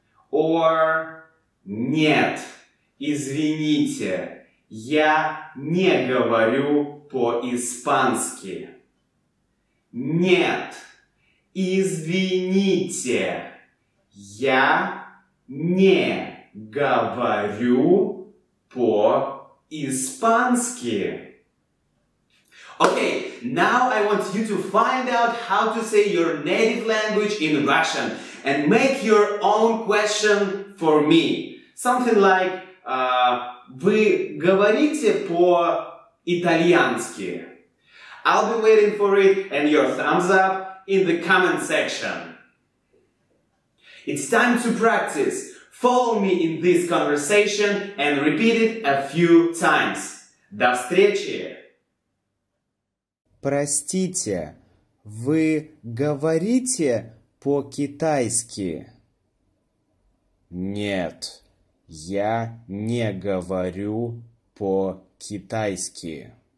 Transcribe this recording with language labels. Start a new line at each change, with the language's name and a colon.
Russian: Or нет, извините, я не говорю по-испански. Нет, извините, я не говорю по-испански.
English: Okay, now I want you to find out how to say your native language in Russian and make your own question for me. Something like,
Russian: вы говорите по-итальянски?
English: I'll be waiting for it and your thumbs up in the comment section. It's time to practice. Follow me in this conversation and repeat it a few times.
Russian: До встречи! Простите, вы говорите по-китайски? Нет, я не говорю по-китайски.